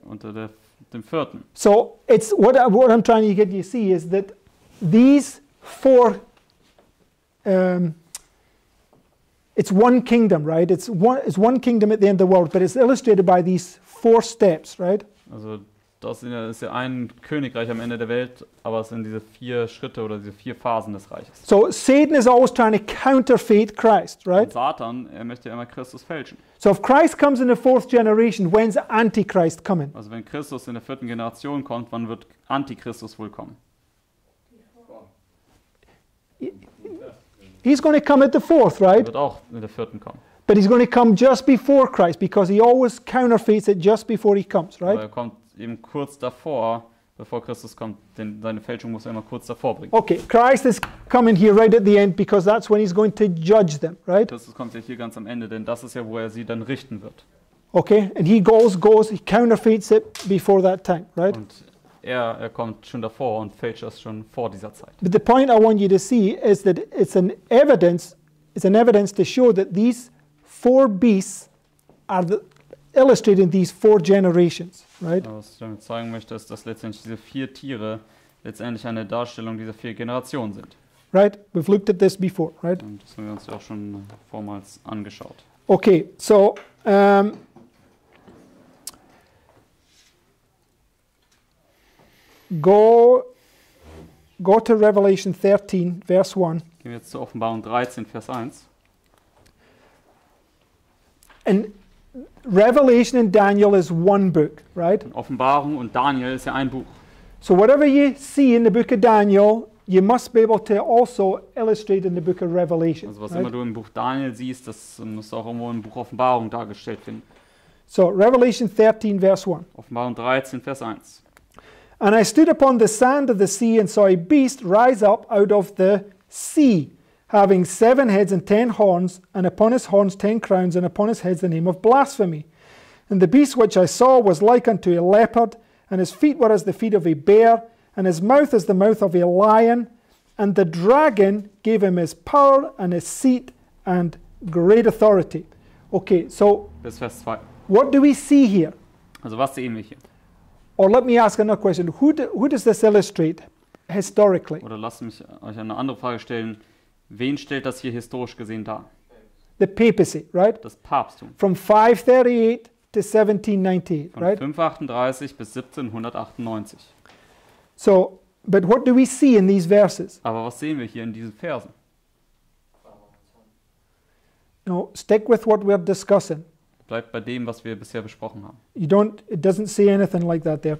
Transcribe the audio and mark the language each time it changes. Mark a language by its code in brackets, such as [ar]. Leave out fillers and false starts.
[de] Unter dem vierten. [en] So, it's what I'm trying to get you to see is that these four, it's one kingdom, right? It's one kingdom at the end of the world, but it's illustrated by these four steps, right? [de] Also, das ist ja ein Königreich am Ende der Welt, aber es sind diese vier Schritte oder diese vier Phasen des Reiches. [en] So Satan is always trying to counterfeit Christ, right? [de] Und Satan, er möchte ja immer Christus fälschen. [en] So if Christ comes in the fourth generation, when's Antichrist coming? [de] Also wenn Christus in der vierten Generation kommt, wann wird Antichristus wohl kommen? [en] He's going to come at the fourth, right? [de] Er wird auch in der vierten kommen. [en] But he's going to come just before Christ, because he always counterfeits it just before he comes, right? [de] Aber er kommt eben kurz davor, bevor Christus kommt, denn seine Fälschung muss er immer kurz davor bringen. [en] Okay, Christ is coming here right at the end, because that's when he's going to judge them, right? [de] Christus kommt ja hier ganz am Ende, denn das ist ja, wo er sie dann richten wird. [en] Okay, and he goes, he counterfeits it before that time, right? [de] Und er kommt schon davor und fälscht das schon vor dieser Zeit. [en] But the point I want you to see is that it's an evidence to show that these four beasts are illustrating these four generations. Right? [de] Was ich damit zeigen möchte, ist, dass letztendlich diese vier Tiere letztendlich eine Darstellung dieser vier Generationen sind. [en] Right? We've looked at this before, right? [de] Und das haben wir uns ja auch schon vormals angeschaut. [en] Okay, so go to Revelation 13, verse 1. [de] Gehen wir jetzt zu Offenbarung 13, Vers 1. [en] And Revelation and Daniel is one book, right? [de] Offenbarung und Daniel ist ja ein Buch. [en] So whatever you see in the book of Daniel, you must be able to also illustrate in the book of Revelation. [de] Also was, right? Immer du im Buch Daniel siehst, das musst du auch irgendwo im Buch Offenbarung dargestellt finden. [en] So Revelation 13, verse 1. [de] Offenbarung 13, Vers 1. [en] And I stood upon the sand of the sea and saw a beast rise up out of the sea, having 7 heads and 10 horns, and upon his horns 10 crowns, and upon his heads the name of blasphemy. And the beast which I saw was like unto a leopard, and his feet were as the feet of a bear, and his mouth as the mouth of a lion. And the dragon gave him his power and his seat and great authority. Okay, so [de] bis Vers 2. [en] What do we see here? [de] Also, was sehen wir hier? [en] Or let me ask another question. Who does this illustrate historically? [de] Oder lasst mich euch eine andere Frage stellen. Wen stellt das hier historisch gesehen dar? [en] The papacy, right? [de] Das Papsttum. [en] From 538 to 1798, [de] von [en] right? [de] Von 538 bis 1798. [en] So, but what do we see in these verses? [de] Aber was sehen wir hier in diesen Versen? [en] No, stick with what we're discussing. [de] Bleibt bei dem, was wir bisher besprochen haben. [en] You don't, it doesn't say anything like that there.